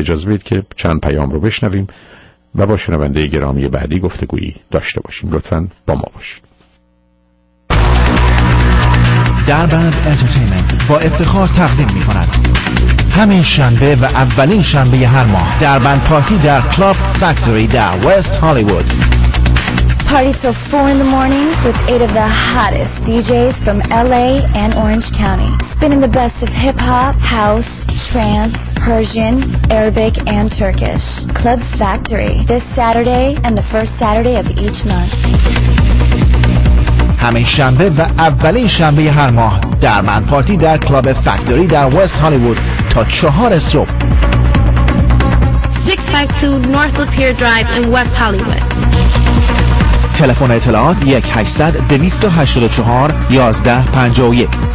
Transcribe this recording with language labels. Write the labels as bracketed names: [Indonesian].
[Persian] اجازه بدید که چند پیام رو بشنویم و با شنونده گرامی بعدی گفتگویی داشته باشیم. لطفاً با ما باشید. دربند انترتینمنت با افتخار تقدیم می‌کند. همین شنبه و اولین شنبه هر ماه دربند پارتی در کلاب فکتوری در وست هالیوود. [English] Party till 4 in the morning with 8 of the hottest DJs from LA and Orange County. Spinning the best of hip hop, house, trance, Persian, Arabic and Turkish. Club Factory this Saturday and the first Saturday of each month. [Persian] همین شنبه و اولین شنبه هر ماه دربند پارتی در کلاب فکتوری در وست هالیوود تا 4 صبح. [English] 652 North Lapeer Drive in West Hollywood. [Persian] تلفن اطلاعات 1-800-284-1151.